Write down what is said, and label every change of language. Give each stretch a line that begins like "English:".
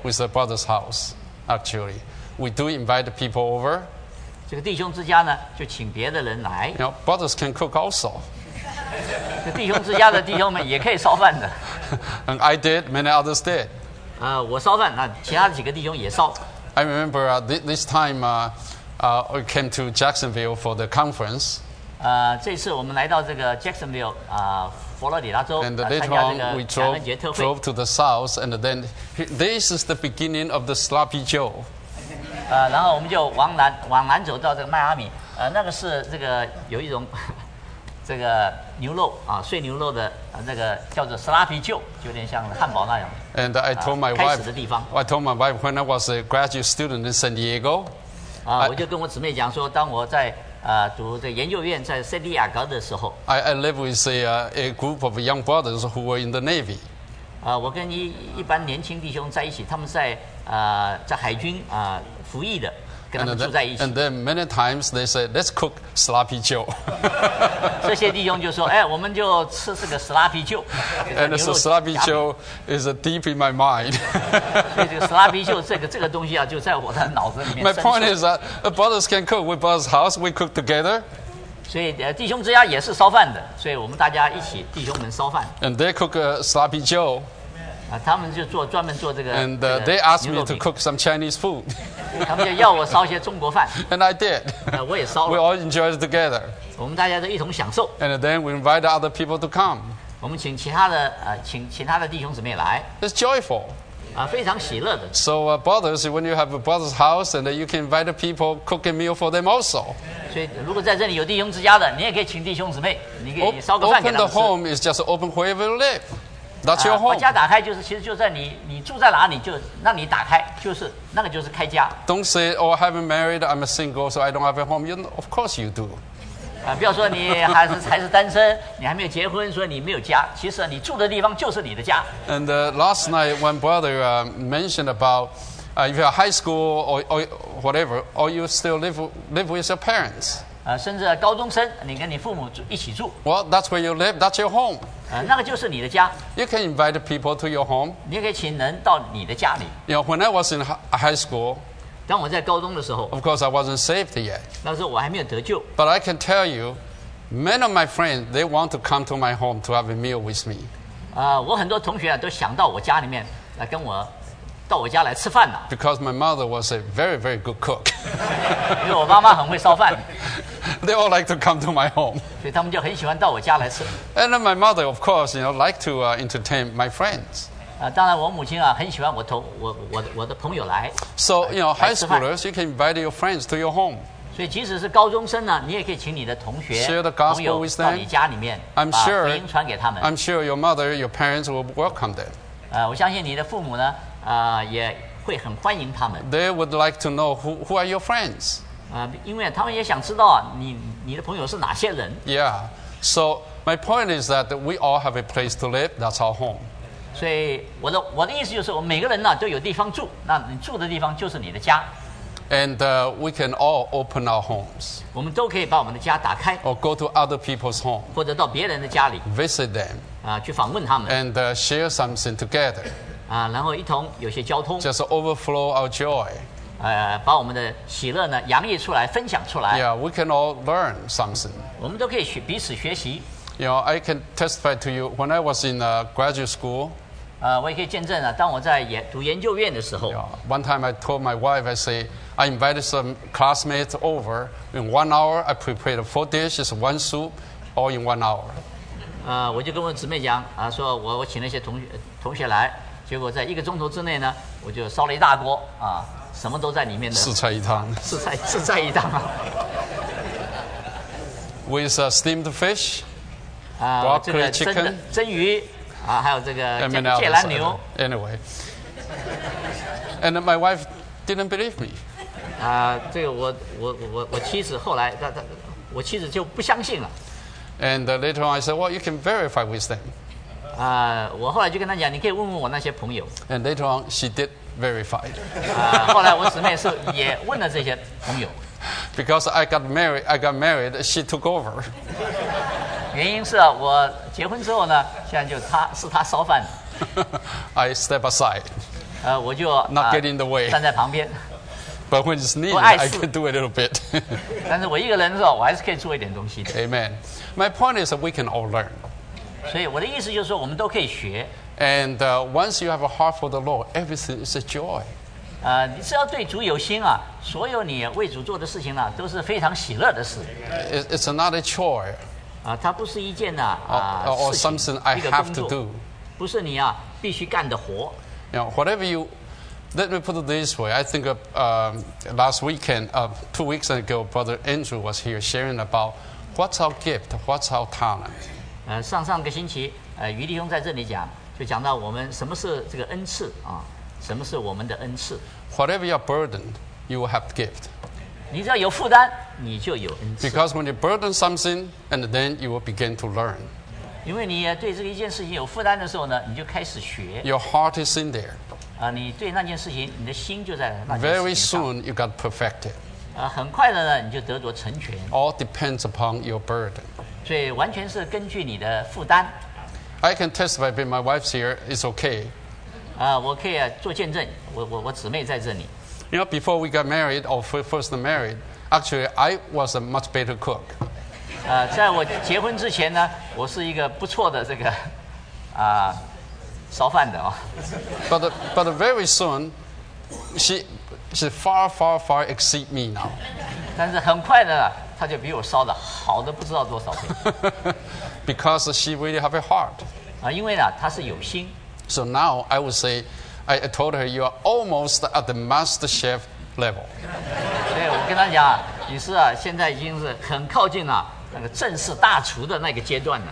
English: With the brother's house. actually. We do invite people over.
Chinese: 这个弟兄之家呢，就请别的人来。
English: You know, brothers can cook also.
Chinese: 这弟兄之家的弟兄们也可以烧饭的。
English: And I did, many others did.
Chinese: 我烧饭，那其他几个弟兄也烧。
English: I remember this time we came to Jacksonville for the conference.
Chinese: 这次我们来到这个 Jacksonville, 佛罗里达州
English: And later on, we drove to the south, and then this is the beginning of the Sloppy Joe.
Chinese: 然后我们就往南走到这个迈阿密。那个是这个有一种这个牛肉啊，碎牛肉的那个叫做 Sloppy Joe, 就有点像汉堡那样。
English: And I told my wife,
Chinese: 开始的地方。
English: I told my wife when I was a graduate student in San Diego.
Chinese: 我就跟我姊妹讲说，当我在读这研究院在圣地亚哥的时候
English: ，I live with a group of young brothers who were in the Navy.
Chinese: 我跟一般年轻弟兄在一起，他们在在海军服役的，跟他们住在一起。
English: And then many times they say, "Let's cook sloppy Joe."
Chinese: 这些弟兄就说，哎，我们就吃这个 sloppy Joe。
English: And so sloppy Joe is deep in my mind.
Chinese: 所以这个 sloppy Joe 这个东西啊，就在我的脑子里面。
English: My point is that brothers can cook. We brothers house, we cook together.
Chinese: 所以弟兄之家也是烧饭的，所以我们大家一起弟兄们烧饭。
English: And they cook sloppy Joe.
Chinese: 他们就做专门做这个。
English: And they asked me to cook some Chinese food.
Chinese: 他们就要我烧些中国饭。
English: And I did.
Chinese: 我也烧了。
English: We all enjoyed together.
Chinese: 我们大家都一同享受。
English: And then we invite other people to come.
Chinese: 我们请其他的弟兄姊妹来。
English: It's joyful.
Chinese: 非常喜乐的。
English: So brothers, when you have a brother's house, and you can invite people cook a meal for them also.
Chinese: 所以如果在这里有弟兄之家的，你也可以请弟兄姊妹，你可以烧个饭给他们吃。
English: Open the home is just open wherever you live. That's your home.
Chinese: 把家打开就是，其实就在你住在哪里，就让你打开，就是那个就是开家。
English: Don't say, "Oh, I haven't married. I'm a single, so I don't have a home." You, of course, you do.
Chinese: 不要说你还是单身，你还没有结婚，所以你没有家。其实你住的地方就是你的家。
English: And last night, one brother mentioned about if you're high school or whatever, or you still live with your parents.
Chinese: 甚至高中生，你跟你父母一起住。
English: Well, that's where you live. That's your home.
Chinese: 那个就是你的家。
English: You can invite people to your home.
Chinese: 你可以请人到你的家里。
English: You know, when I was in high school,
Chinese: 当我在高中的时候
English: ，Of course, I wasn't saved yet.
Chinese: 那时候我还没有得救。
English: But I can tell you, many of my friends they want to come to my home to have a meal with me.
Chinese: 我很多同学都想到我家里面来跟我。到我家来吃饭了。
English: Because my mother was a very, very good cook.
Chinese: 因为我妈妈很会烧饭。
English: They all like to come to my home.
Chinese: 所以他们就很喜欢到我家来吃。
English: And then my mother, of course, you know, like to entertain my friends.
Chinese: 当然我母亲很喜欢我的朋友来。
English: So you know, high schoolers, you can invite your friends to your home.
Chinese: 所以即使是高中生呢，你也可以请你的同学、
English: Share the gospel with them.
Chinese: 朋友到你家里面，把福音传给他们。
English: I'm sure your mother, your parents will welcome them.
Chinese: 我相信你的父母呢。也会很欢迎他们。
English: They would like to know who are your friends.
Chinese: 因为他们也想知道你的朋友是哪些人。
English: Yeah. So my point is that we all have a place to live. That's our home.
Chinese: 所以我的意思就是，我们每个人呢都有地方住。那你住的地方就是你的家。
English: And we can all open our homes.
Chinese: 我们都可以把我们的家打开。
English: Or go to other people's home.
Chinese: 或者到别人的家里。
English: Visit them.
Chinese: 去访问他们。
English: And share something together.
Chinese: 然后一同有些交通
English: ，just overflow our joy，
Chinese: 把我们的喜乐呢洋溢出来，分享出来。
English: Yeah, we can all learn something.
Chinese: 我们都可以彼此学习。
English: You know, I can testify to you when I was in graduate school.
Chinese: 我也可以见证当我在读研究院的时候。
English: Yeah, one time I told my wife, I say, I invited some classmates over. In 1 hour, I prepared 4 dishes, 1 soup, all in 1 hour.
Chinese: 我就跟我姊妹讲说我请那些同学来。结果在一个钟头之内呢，我就烧了一大锅什么都在里面的。四菜一汤。四菜一汤。
English: With steamed fish, broccoli, chicken,
Chinese: 蒸鱼还有这个芥蓝牛。
English: Anyway, and my wife didn't believe me.
Chinese: 这个我妻子后来我妻子就不相信了。
English: And later on, I said, "Well, you can verify with them."
Chinese: 我后来就跟他讲，你可以问问我那些朋友。
English: And later on, she did verify.
Chinese: 后来我姊妹是也问了这些朋友。
English: Because I got married, she took over.
Chinese: 原因是我结婚之后呢，现在就是她烧饭。
English: I step aside.
Chinese: 我就
English: not get in the way.
Chinese: 站在旁边。
English: But when it's needed, I can do a little bit.
Chinese: 但是我一个人的时候，我还是可以做一点东西的。
English: Amen. My point is that we can all learn.
Chinese: 所以我的意思就是说，我们都可以学。
English: And once you have a heart for the Lord, everything is a joy.
Chinese: 你只要对主有心啊，所有你为主做的事情呢、啊，都是非常喜乐的事。
English: It's not a chore.
Chinese: 它不是一件呢、
English: or something I have to do.
Chinese: 不是你啊，必须干的活。
English: You know, whatever you, let me put it this way. I think last weekend, 2 weeks ago, Brother Andrew was here sharing about what's our gift, what's our talent.
Chinese: 上个星期，余弟兄在这里讲，就讲到我们什么是这个恩赐啊，什么是我们的恩赐。
English: Whatever your burden, you will have gift.
Chinese: 你只要有负担，你就有恩赐。
English: Because when you burden something, and then you will begin to learn.
Chinese: 因为你对这个一件事情有负担的时候呢，你就开始学。
English: Your heart is in there.
Chinese: 你对那件事情，你的心就在那件事情上。
English: Very soon you got perfected.
Chinese: 很快的呢，你就得着成全。
English: All depends upon your burden.
Chinese: 所以完全是根据你的负担。
English: I can testify, but my wife's here. It's okay.
Chinese: 我可以做见证。我姊妹在这里。
English: You know, before we got married or first married, actually I was a much better cook.
Chinese: 在我结婚之前呢，我是一个不错的这个，烧饭的哦。
English: But very soon, she far exceed me now.
Chinese: 但是很快的，她就比我烧的好的不知道多少倍。
English: Because she really have a heart.
Chinese: 因为呢，她是有心。
English: So now I would say, I told her you are almost at the master chef level.
Chinese: 对，我跟她讲，你是现在已经是很靠近了。那个正式大厨的那个阶段呢